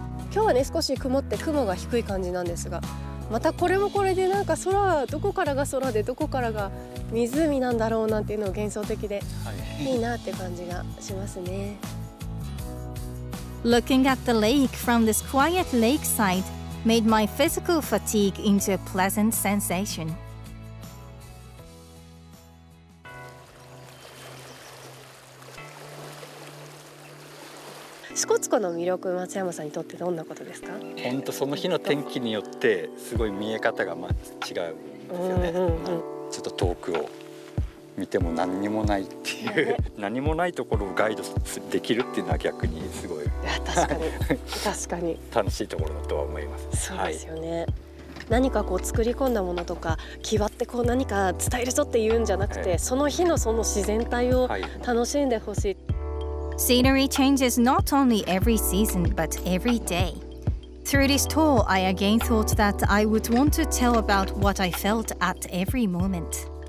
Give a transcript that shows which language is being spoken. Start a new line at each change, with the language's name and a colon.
Japanese: 今日はね、少し曇って雲が低い感じなんですが、またこれもこれでなんか空はどこからが空でどこからが湖なんだろうなんていうのが幻想的で、はい、いいなって感じがしますね。
English: Looking at the lake from this quiet lakeside made my physical fatigue into a pleasant sensation.
Japanese: シコツコの魅力、松山さんにとってどんなことですか？本当その日の天気によってすごい見え方が違うんですよね、うんうんうん、ちょっと遠くを見ても何にもないっていう、ね、何もないところをガイドできるっていうのは逆にすごい、いや確かに楽しいところだとは思います。そうですよね、はい、何かこう作り込んだものとか際ってこう何か伝えるぞって言うんじゃなくて、その日のその自然体を楽しんでほしい、はい。
English: Scenery changes not only every season, but every day. Through this tour, I again thought that I would want to tell about what I felt at every moment.